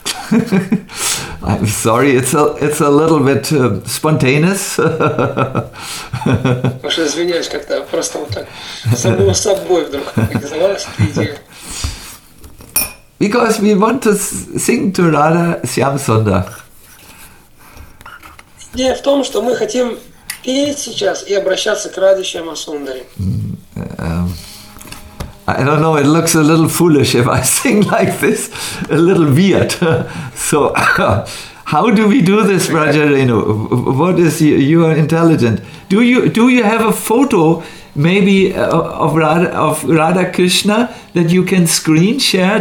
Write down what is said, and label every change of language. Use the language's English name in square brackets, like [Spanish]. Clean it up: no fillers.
[English] I'm sorry, it's a little bit spontaneous. [Russian] Уж извиняюсь, как-то просто вот так само собой вдруг завалась эта идея. [English] Because we want to sing to Radha Shyam Sundar. [Russian] Идея в том, что мы хотим петь сейчас и обращаться к Радхе Шьяма Сундаре. [English] I don't know, it looks a little foolish if I sing like this, a little weird. So, how do we do this, Raja Renu? What is you are intelligent. Do you have a photo, maybe, of Radha Krishna that you can screen share?